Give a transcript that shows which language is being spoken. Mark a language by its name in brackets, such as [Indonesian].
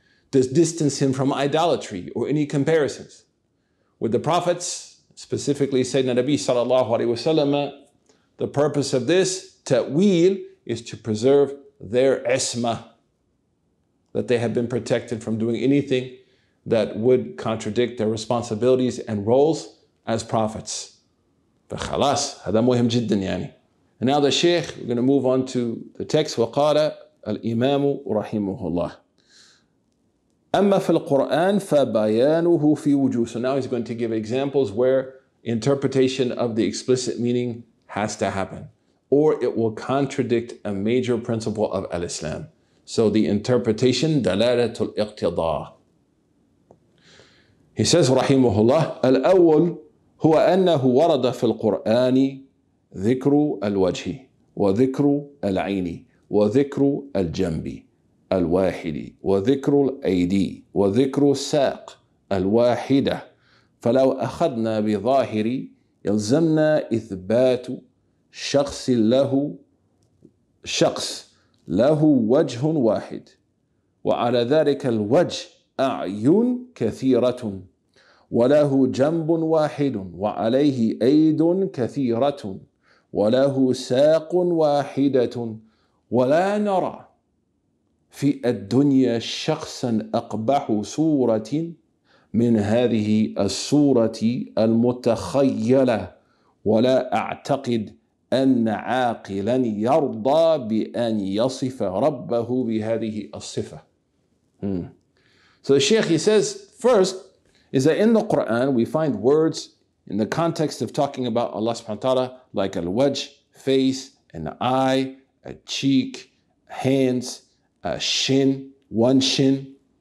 [English] Does distance him from idolatry or any comparisons. With the prophets, specifically Sayyidina Nabi sallallahu alayhi wasallam, the purpose of this ta'wil is to preserve their isma, that they have been protected from doing anything that would contradict their responsibilities and roles as prophets. [Arabic] فخلاص هذا مهم جدا يعني. [English] And now the sheikh, we're going to move on to the text. [Arabic] وَقَالَ الْإِمَامُ رَحِيمُهُ اللَّهِ أما في القرآن فبيانه في وجوه. [English] So now he's going to give examples where interpretation of the explicit meaning has to happen, or it will contradict a major principle of Al-Islam. So the interpretation دلالة الاقتضاء. [Arabic] He says رحمه الله الأول هو أنه ورد في القرآن ذكر الوجه وذكر العين وذكر الجنب الواحد وذكر الأيدي وذكر الساق الواحدة فلو أخذنا بظاهر يلزمنا إثبات شخص له شخص له وجه واحد وعلى ذلك الوجه أعين كثيرة وله جنب واحد وعليه أيد كثيرة وله ساق واحدة ولا نرى في الدنيا شخصا أقبح صورة من هذه الصورة المتخيلة ولا أعتقد أن عاقلا يرضى بأن يصف ربه بهذه الصفة. [English] So the Sheikh, he says, first, is that in the Quran we find words in the context of talking about Allah subhanahu wa ta'ala, like al-wajh, face, an eye, a cheek, hands, a shin, one shin.